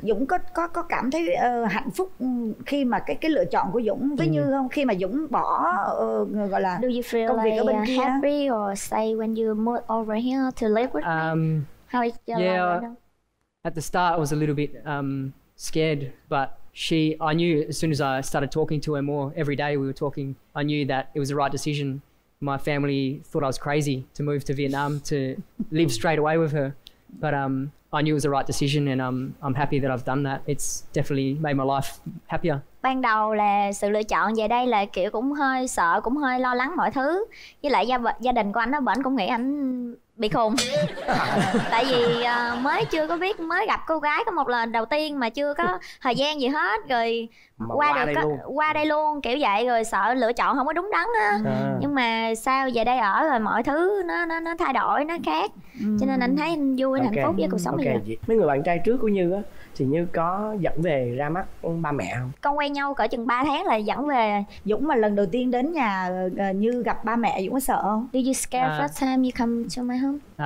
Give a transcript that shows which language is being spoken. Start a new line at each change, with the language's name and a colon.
Vietnamese: Dũng có cảm thấy hạnh phúc khi mà cái lựa chọn của Dũng với Như không? Khi mà Dũng bỏ gọi là
English: do you feel
Vietnamese: công việc
English: like
Vietnamese: ở bên kia.
English: Happy or say when you move over here to live with me? How is your life right now? At the start, I was a little bit scared, but I knew as soon as I started talking to her more, every day we were talking, I knew that it was the right decision. My family thought I was crazy to move to Vietnam to live straight away with her, but I knew it was the right decision, and I'm happy that I've done that. It's definitely made my life happier.
Vietnamese: Ban đầu là sự lựa chọn về đây là kiểu cũng hơi sợ, cũng hơi lo lắng mọi thứ. Với lại gia đình của anh nó bển cũng nghĩ anh bị khùng. Tại vì mới chưa có biết, mới gặp cô gái có một lần đầu tiên mà chưa có thời gian gì hết, rồi qua đây luôn kiểu vậy, rồi sợ lựa chọn không có đúng đắn á. Nhưng mà sao về đây ở rồi mọi thứ nó thay đổi, nó khác. Cho nên anh thấy anh vui, hạnh phúc với cuộc sống bây giờ. Mấy người bạn trai trước của Như á thì Như có dẫn về ra mắt ba mẹ không? Con quen nhau cỡ chừng 3 tháng là dẫn về. Dũng mà lần đầu tiên đến nhà Như gặp ba mẹ, Dũng có sợ không?
English: Do you scare first time you come to my home?